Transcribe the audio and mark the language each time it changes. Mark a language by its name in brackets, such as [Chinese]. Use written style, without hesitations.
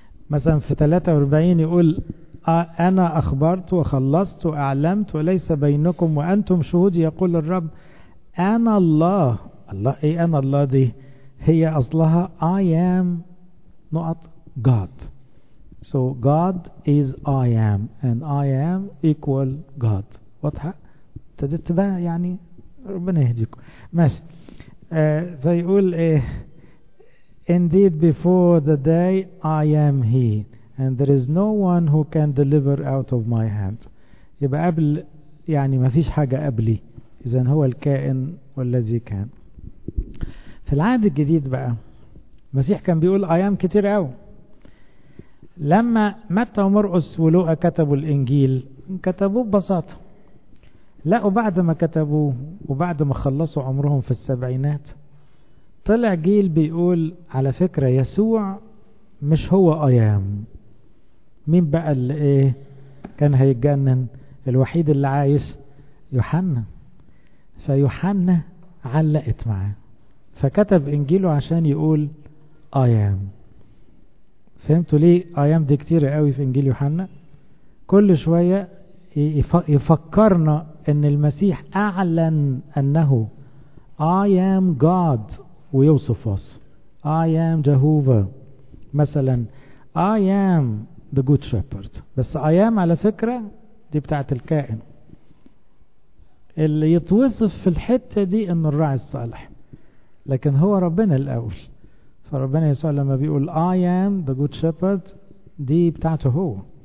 [Arabic] مثلا في 43 يقول أنا أخبرت وخلصت وأعلمت وليس بينكم وأنتم شهودي يقول الرب أنا الله. الله إيه أنا الله دي؟ هي أصلها [English] I am [Arabic] نقط God. [English] So God is I am and I am equal God. [Arabic] واضحة؟ ابتدت بقى يعني ربنا يهديكم. ماشي. فيقول إيه؟ [English] Indeed before the day I am he and there is no one who can deliver out of my hand. [Arabic] يبقى قبل يعني ما فيش حاجة قبلي، إذن هو الكائن والذي كان. في العهد الجديد بقى المسيح كان بيقول [English] I am [Arabic] كتير قوي. لما متى ومرقس ولوقا كتبوا الإنجيل كتبوه ببساطة، لقوا بعد ما كتبوه وبعد ما خلصوا عمرهم في السبعينات طلع جيل بيقول على فكرة يسوع مش هو أيام. مين بقى اللي ايه كان هيتجنن؟ الوحيد اللي عايز يوحنا. فيوحنا علقت معاه فكتب انجيله عشان يقول أيام. فهمتوا ليه أيام دي كتير قوي في انجيل يوحنا؟ كل شوية يفكرنا ان المسيح اعلن انه [English] I am God [Arabic] ويوصف وصف [English] I am Jehovah. [Arabic] مثلا [English] I am the good shepherd. [Arabic] بس [English] I am [Arabic] على فكرة دي بتاعت الكائن، اللي يتوصف في الحتة دي انه الراعي الصالح، لكن هو ربنا الاول. فربنا يسوع لما بيقول [English] I am the good shepherd [Arabic] دي بتاعته هو.